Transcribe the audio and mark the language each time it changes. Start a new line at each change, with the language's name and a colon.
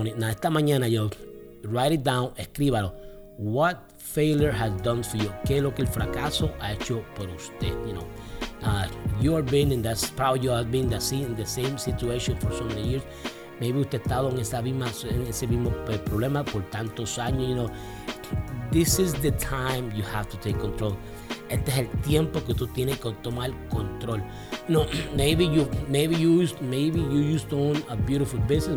English: Esta mañana yo, write it down, escríbalo. What failure has done for you?
Spanish: ¿Qué es lo que el fracaso ha hecho por usted?
English: You know, you have been in that, probably you have been in the same situation for so many years.
Spanish: Maybe usted ha estado en ese mismo problema por tantos años.
English: You know, this is the time you have to take control.
Spanish: Este es el tiempo que tú tienes que tomar control.
English: No, maybe you used to own a beautiful business.